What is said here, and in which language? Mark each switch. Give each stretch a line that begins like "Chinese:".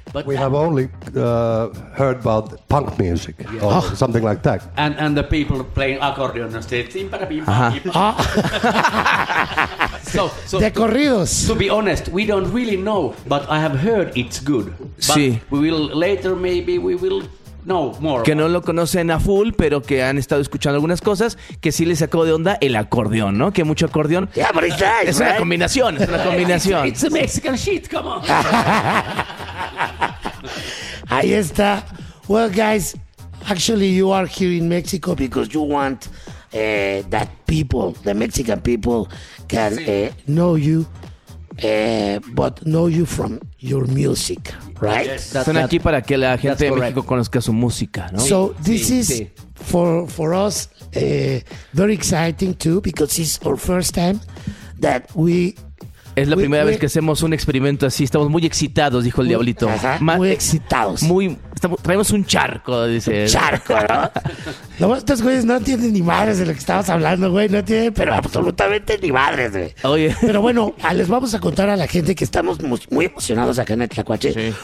English: But we have only heard about punk music or something like that. And the people playing accordion. So
Spanish: de corridos.
English: To be honest, we don't really know, but I have heard it's good. But
Spanish: sí.
English: We will later maybe we will know more.
Spanish: Que no lo conocen a full, pero que han estado escuchando algunas cosas, que sí les sacó de onda el acordeón, ¿no? Que mucho acordeón.
English: Yeah, but it's nice,
Spanish: es una
English: right?
Spanish: combinación, es una combinación.
English: It's a Mexican shit, come on.
Spanish: Ahí está.
English: Well, guys, actually you are here in Mexico because you want that people, the Mexican people, can know you, but know you from your music, right?
Spanish: Yes, están aquí para que la gente de México conozca su música, ¿no?
English: So this is for us very exciting too because it's our first time that we...
Spanish: Es la primera vez que hacemos un experimento así. Estamos muy excitados, dijo el diablito. Muy excitados. Traemos un charco, dice. Un charco, ¿no? Lo más, estos güeyes no entienden ni madres de lo que estabas hablando, güey. No entienden, pero absolutamente ni madres, güey. Oye. Pero bueno, les vamos a contar a la gente que estamos muy emocionados acá en el Tlacuache. Sí.